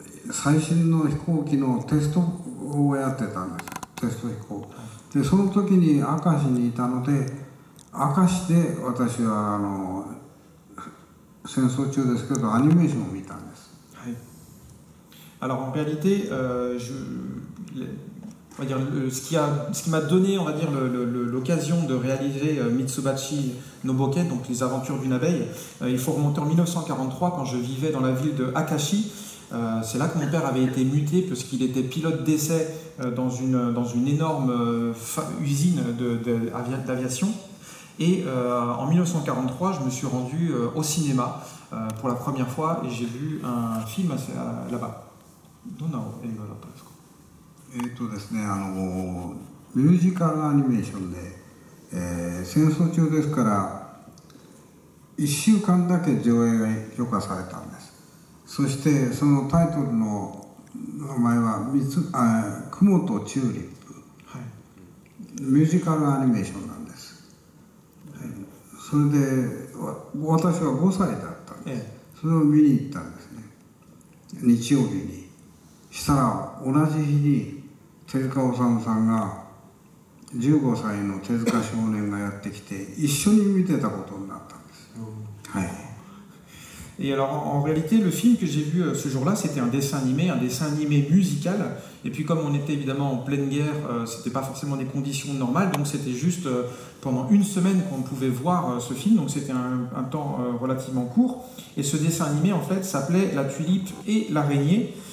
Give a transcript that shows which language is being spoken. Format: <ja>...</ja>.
<ja>最新の飛行機のテストをやってたんですテスト飛行でその時に明石にいたので明石で私は戦争中ですけどアニメーションを見たんですはい。</ja> <fr>Alors en réalité, on va dire ce qui m'a donné on va dire l'occasion de réaliser Mitsubachi no Boken, donc les aventures d'une abeille, il faut remonter en 1943 quand je vivais dans la ville de Akashi. C'est là que mon père avait été muté parce qu'il était pilote d'essai dans une énorme usine d'aviation. Et en 1943, je me suis rendu au cinéma pour la première fois et j'ai vu un film là-bas. Donao et Valopasco.</fr> <ja>ですね、ミュージカルアニメーションで、戦争中ですから1週間だけ上映が許可されたんですそしてそのタイトルの名前は雲とチューリップ、はい、ミュージカルアニメーションなんです、はい、それで私は5歳だったんです、それを見に行ったんですね日曜日にしたら同じ日に手塚治虫さんが15歳の手塚少年がやってきて一緒に見てたことになったんです。はい。</ja> <fr>Et alors, en réalité, le film que j'ai vu ce jour-là, c'était un dessin animé musical. Et puis, comme on était évidemment en pleine guerre, c'était pas forcément des conditions normales. Donc, c'était juste pendant une semaine qu'on pouvait voir ce film. Donc, c'était un temps relativement court. Et ce dessin animé, en fait, s'appelait La Tulipe et l'Araignée.</fr>